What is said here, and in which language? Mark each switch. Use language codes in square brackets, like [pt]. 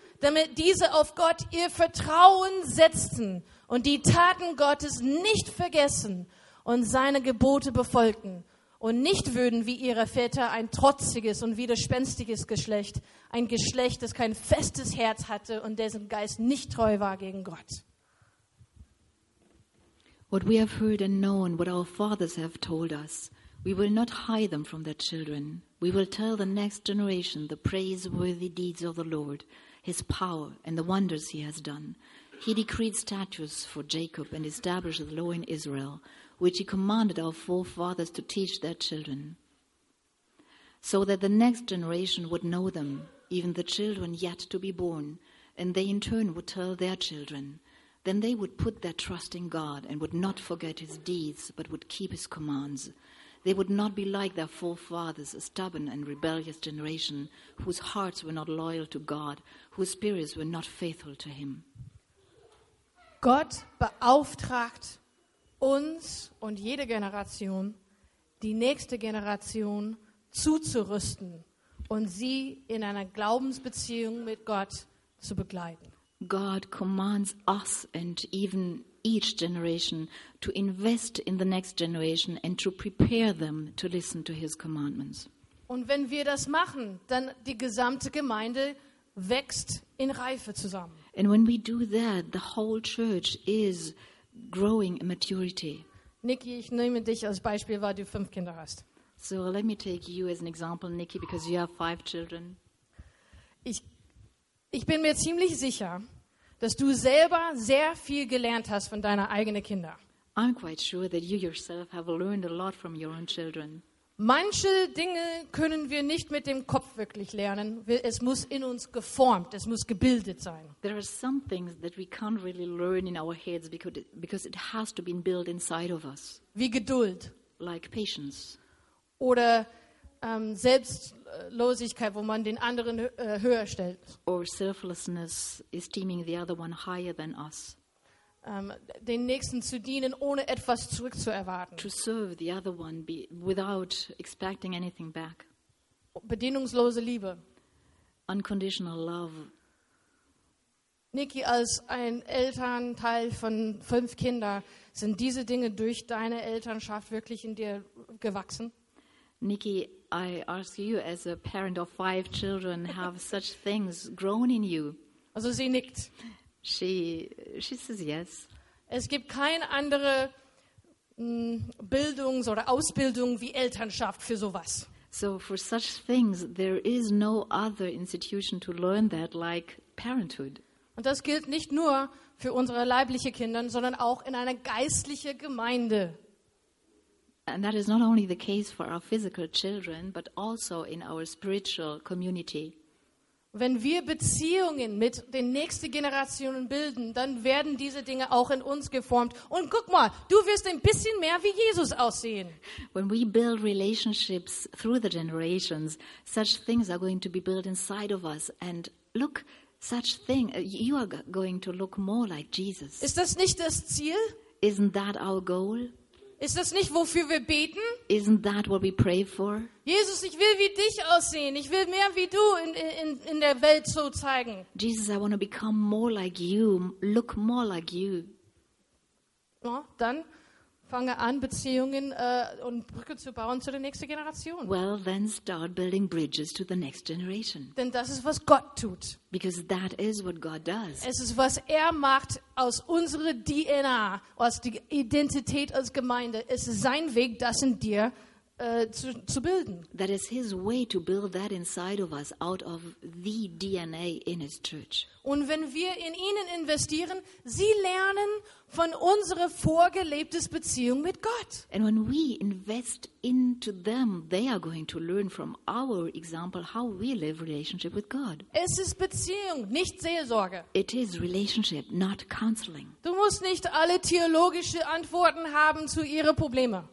[de] Damit diese auf Gott ihr Vertrauen setzten und die Taten Gottes nicht vergessen und seine Gebote befolgten und nicht würden wie ihre Väter ein trotziges und widerspenstiges Geschlecht, ein Geschlecht, das kein festes Herz hatte und dessen Geist nicht treu war gegen Gott. [en] What we have heard and known, what our fathers have told us, we will not hide them from their children. We will tell the next generation the praiseworthy deeds of the Lord, his power and the wonders he has done. He decreed statutes for Jacob and established the law in Israel, which he commanded our forefathers to teach their children, so that the next generation would know them, even the children yet to be born, and they in turn would tell their children. Then they would put their trust in God and would not forget his deeds, but would keep his commands. They would not be like their forefathers, a stubborn and rebellious generation, whose hearts were not loyal to God, whose spirits were not faithful to him. [de] Gott beauftragt uns und jede Generation, die nächste Generation zuzurüsten und sie in einer Glaubensbeziehung mit Gott zu begleiten. [en] God commands us and even each generation to invest in the next generation and to prepare them to listen to his commandments. [de] Und wenn wir das machen, dann die gesamte Gemeinde wächst in Reife zusammen. [en] And when we do that, the whole church is growing in maturity. [de] Nikki, ich nehme dich als Beispiel, weil du 5 Kinder hast. [en] So let me take you as an example, Nikki, because you have 5 children. [de] Ich bin mir ziemlich sicher, dass du selber sehr viel gelernt hast von deinen eigenen Kindern. [en] I'm quite sure that you yourself have learned a lot from your own children. [de] Manche Dinge können wir nicht mit dem Kopf wirklich lernen. Es muss in uns geformt, es muss gebildet sein. [en] There are some things that we can't really learn in our heads because it has to be built inside of us. [de] Wie Geduld. [en] Like patience. [de] Oder Selbstlosigkeit, wo man den anderen höher stellt. [en] Or selflessness, esteeming the other one higher than us. [de] Den Nächsten zu dienen, ohne etwas zurückzuerwarten. [en] To serve the other one without expecting anything back. [de] Bedingungslose Liebe. [en] Unconditional love. [de] Niki, als ein Elternteil von 5 Kindern, sind diese Dinge durch deine Elternschaft wirklich in dir gewachsen? [en] Niki, I ask you, as a parent of 5 children, have such things grown in you? [de] Also sie nickt. [en] She says yes. [de] Es gibt keine andere Bildungs- oder Ausbildung wie Elternschaft für sowas. [en] So for such things, there is no other institution to learn that like parenthood. [de] Und das gilt nicht nur für unsere leiblichen Kinder, sondern auch in einer geistlichen Gemeinde. [en] And that is not only the case for our physical children, but also in our spiritual community. [de] Wenn wir Beziehungen mit den nächsten Generationen bilden, dann werden diese Dinge auch in uns geformt. Und guck mal, du wirst ein bisschen mehr wie Jesus aussehen. [en] When we build relationships through the generations, such things are going to be built inside of us. And look, such thing, you are going to look more like Jesus. [de] Ist das nicht das Ziel? [en] Isn't that our goal? [de] Ist das nicht, wofür wir beten? [en] Isn't that what we pray for? [de] Jesus, ich will wie dich aussehen. Ich will mehr wie du in der Welt so zeigen. [en] Jesus, I want to become more like you. Look more like you. [de] Ja, dann fange an, Beziehungen und Brücken zu bauen zu der nächsten Generation. [en] Well, then start building bridges to the next generation. [de] Denn das ist, was Gott tut. [en] Because that is what God does. [de] Es ist, was er macht aus unserer DNA, aus der Identität als Gemeinde. Es ist sein Weg, das in dir zu bilden. [en] That is his way to build that inside of us, out of the DNA in his church. [de] Und wenn wir in ihnen investieren, sie lernen, von unserer vorgelebten Beziehung mit Gott. [en] And when we invest into them, they are going to learn from our example how we live relationship with God. [de] Es ist Beziehung, nicht Seelsorge. [en] It is relationship, not counseling. [de] Du musst nicht alle theologische Antworten haben zu ihre Probleme.